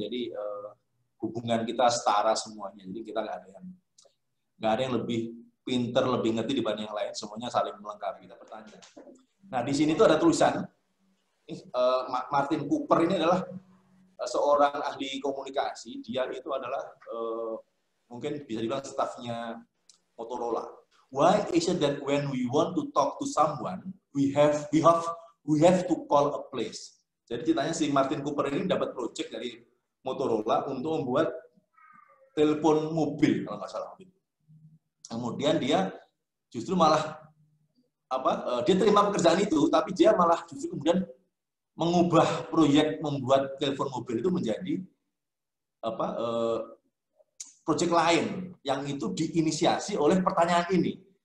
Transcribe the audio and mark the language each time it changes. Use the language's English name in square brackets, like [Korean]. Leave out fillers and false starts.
[Indonesian] Jadi hubungan kita setara semuanya. Jadi kita nggak ada yang lebih pinter, lebih ngerti dibanding yang lain. Semuanya saling melengkapi kita bertanya. Nah di sini tuh ada tulisan. Martin Cooper ini adalah seorang ahli komunikasi. Dia itu adalah mungkin bisa dibilang staffnya Motorola. [English] Why is it that when we want to talk to someone, we have to call a place? [Indonesian] Jadi ceritanya si Martin Cooper ini dapat project dari Motorola untuk membuat telepon mobil kalau nggak salah. Kemudian dia justru malah dia terima pekerjaan itu, tapi dia malah justru kemudian mengubah proyek membuat telepon mobil itu menjadi proyek lain yang itu diinisiasi oleh pertanyaan ini.